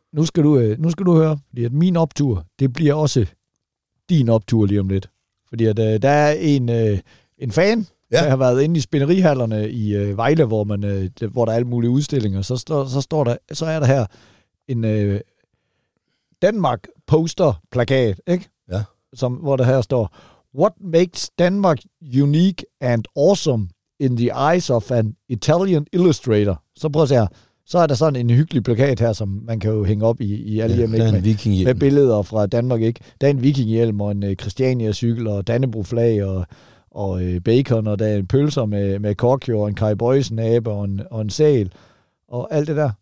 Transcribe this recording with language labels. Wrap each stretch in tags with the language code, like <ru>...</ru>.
<da>Nu skal du høre, fordi at min optur, det bliver også din optur lige om lidt. Fordi at der er en fan, der har været inde i spinnerihallerne i Vejle, hvor man hvor der er alle mulige udstillinger. Så er der her en Danmark poster plakat, ikke? Ja. Som, hvor der her står,</da> <en>what makes Denmark unique and awesome in the eyes of an Italian illustrator.</en> <da>Så prøv at se her. Så er der sådan en hyggelig plakat her, som man kan jo hænge op i alle hjemme. Der er en vikinghjelm. Med billeder fra Danmark, ikke? Der er en vikinghjelm og en Christiania-cykel og Dannebrog-flag og, og bacon, og der er en pølser med korkjord, en Kai Boysen-abe og en sæl, og alt det der.</da>